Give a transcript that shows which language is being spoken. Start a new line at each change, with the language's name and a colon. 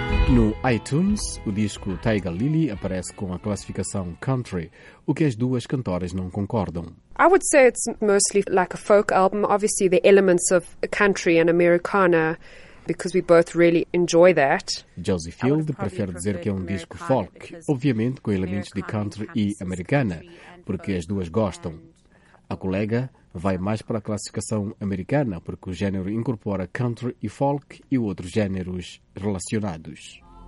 Portuguese: No iTunes, o disco Tiger Lily aparece com a classificação country, o que as duas cantoras não concordam.
English: I would say it's mostly like a folk album. Obviously, the elements of country and Americana because we both really enjoy that.
Portuguese: Josie Field prefere dizer que é um disco folk, obviamente com elementos de country e americana, porque as duas gostam. A colega vai mais para a classificação americana, porque o género incorpora country e folk e outros géneros relacionados.